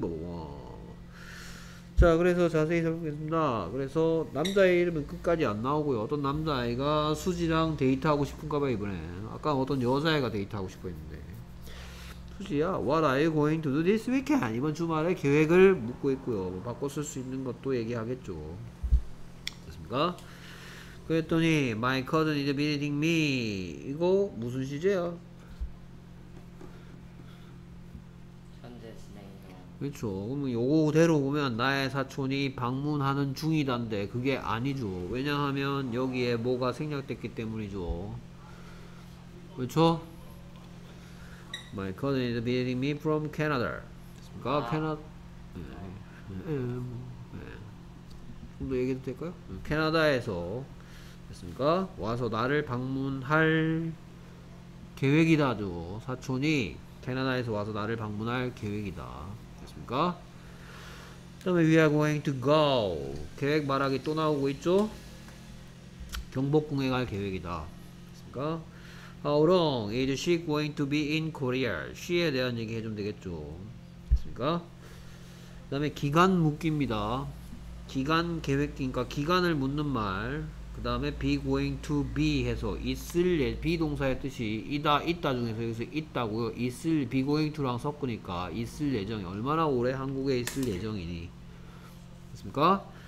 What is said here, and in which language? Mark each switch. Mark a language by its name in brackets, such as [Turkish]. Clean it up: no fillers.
[Korean] 뭐 자, 그래서 자세히 살펴보겠습니다. 그래서 남자의 이름은 끝까지 안 나오고요. 어떤 남자아이가 수지랑 데이트하고 싶은가 봐, 이번엔. 아까 어떤 여자애가 데이트하고 싶어 했는데. [English] 수지야, what are you going to do this weekend? [Korean] 이번 주말에 계획을 묻고 있고요. 뭐 바꿔 쓸 수 있는 것도 얘기하겠죠. 됐습니까? 그랬더니 [English] my cousin is visiting me. [Korean] 이거 무슨 시제야? 현재 진행형. 그렇죠. 그러면 요거대로 보면 나의 사촌이 방문하는 중이던데 그게 아니죠. 왜냐하면 여기에 뭐가 생략됐기 때문이죠. [English] 그렇죠? My cousin is visiting me from Canada. [Korean] 됐습니까? 아. 캐나다. 좀 더 얘기해도 될까요? 캐나다에서 됐습니까? 와서 나를 방문할 계획이다죠. 사촌이 캐나다에서 와서 나를 방문할 계획이다. 됐습니까? 그다음에 [English] we are going to go. [Korean] 계획 말하기 또 나오고 있죠? 경복궁에 갈 계획이다. 됐습니까? [English] How long is she going to be in Korea? [Korean] She에 대한 얘기 해주면 되겠죠. 됐습니까? 그 다음에 기간 묻기입니다. 기간 계획, 그러니까 기간을 묻는 말. 그 다음에 be going to be 해서 있을, be 동사의 뜻이 이다, 있다 중에서 여기서 있다고요. 있을, be going to랑 섞으니까 있을 예정이 얼마나 오래 한국에 있을 예정이니. 됐습니까?